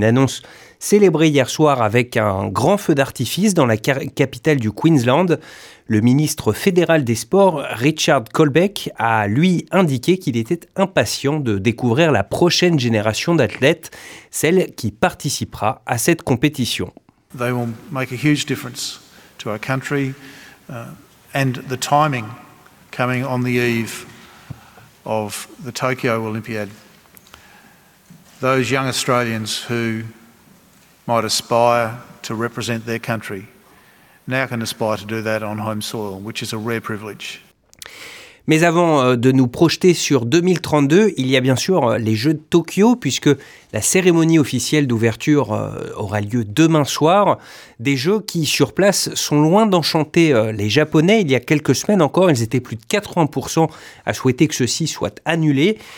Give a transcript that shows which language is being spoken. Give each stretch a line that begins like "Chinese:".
French: Une annonce célébrée hier soir avec un grand feu d'artifice dans la capitale du Queensland. Le ministre fédéral des Sports, Richard Colbeck, a lui indiqué qu'il était impatient de découvrir la prochaine génération d'athlètes, celle qui participera à cette compétition.
English: They will make a huge difference to our country. And the timing coming on the eve of the Tokyo Olympiad, those young Australians who might aspire to represent their country now can aspire to do that on home soil, which is a rare privilege.
French: Mais avant de nous projeter sur 2032, il y a bien sûr les Jeux de Tokyo, puisque la cérémonie officielle d'ouverture aura lieu demain soir. Des Jeux qui, sur place, sont loin d'enchanter les Japonais. Il y a quelques semaines encore, ils étaient plus de 80% à souhaiter que ceux-ci soient annulés.